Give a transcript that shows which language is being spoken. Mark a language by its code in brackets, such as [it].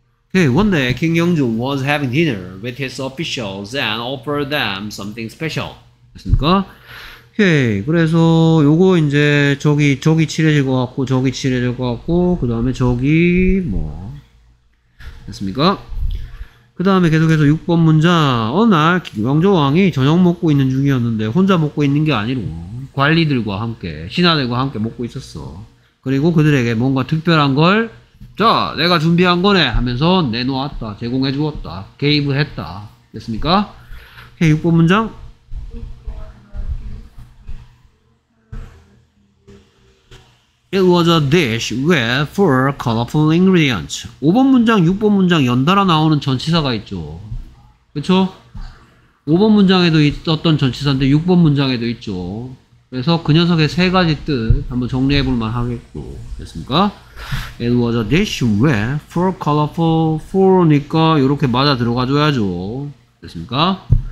[en] 오케이, okay, one day King Yongjun was having dinner with his officials and offered them something special. [ko] 됐습니까? 오케이, okay, 그래서 요거 이제 저기 칠해질 것 같고, 저기 칠해질 것 같고, 그 다음에 저기 뭐. 됐습니까? 그 다음에 계속해서 6번 문장. 어느 날 영조 왕이 저녁 먹고 있는 중이었는데, 혼자 먹고 있는 게 아니고, 관리들과 함께, 신하들과 함께 먹고 있었어. 그리고 그들에게 뭔가 특별한 걸 자, 내가 준비한 거네 하면서 내놓았다, 제공해 주었다, 개입을 했다. 됐습니까? 오케이, 6번 문장. 네. [en] It was a dish with four colorful ingredients. [ko] 5번 문장, 6번 문장 연달아 나오는 전치사가 있죠. 그렇죠? 5번 문장에도 있었던 전치사인데 6번 문장에도 있죠. 그래서 그 녀석의 세 가지 뜻 한번 정리해 볼만 하겠고. [en] 됐습니까? It was a dish with four colorful four니까 [ko] 이렇게 맞아 들어가 줘야죠. 됐습니까?